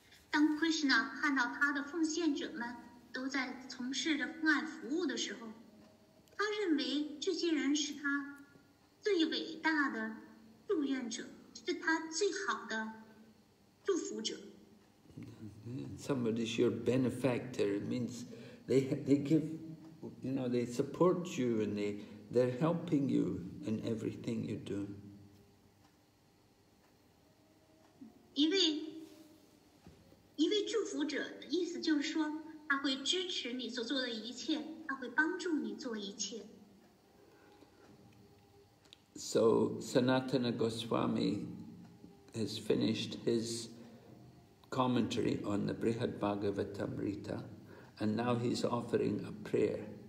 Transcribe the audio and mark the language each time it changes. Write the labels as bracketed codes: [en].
[zh] 当 Krishna 看到他的奉献者们都在从事着奉爱服务的时候，他认为这些人是他最伟大的祝愿者，是他最好的祝福者。 [en] Somebody's your benefactor. It means they give, you know, they support you and they're helping you in everything you do. [zh] 一位祝福者的意思就是说，他会支持你所做的一切，他会帮助你做一切。 [en] So Sanatana Goswami has finished his commentary on the Brihad Bhagavatamrita, and now he's offering a prayer.